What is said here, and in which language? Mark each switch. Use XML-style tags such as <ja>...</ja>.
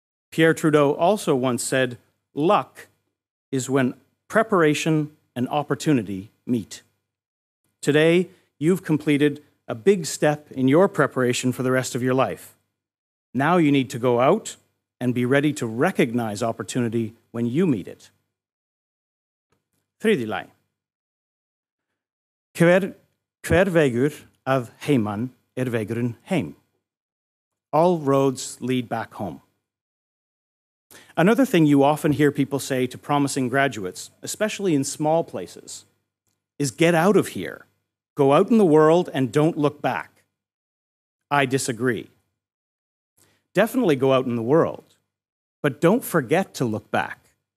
<en>Pierre Trudeau also once said, "Luck is when preparation and opportunity meet." Today, you've completed a big step in your preparation for the rest of your life. Now you need to go out and be ready to recognize opportunity when you meet it.</en> <is>Þriðji lagi. Hver vegur að heiman vegurinn heim.</is> <en>All roads lead back home. Another thing you often hear people say to promising graduates, especially in small places, is get out of here. Go out in the world and don't look back. I disagree. Definitely go out in the world, but don't forget to look back.</en>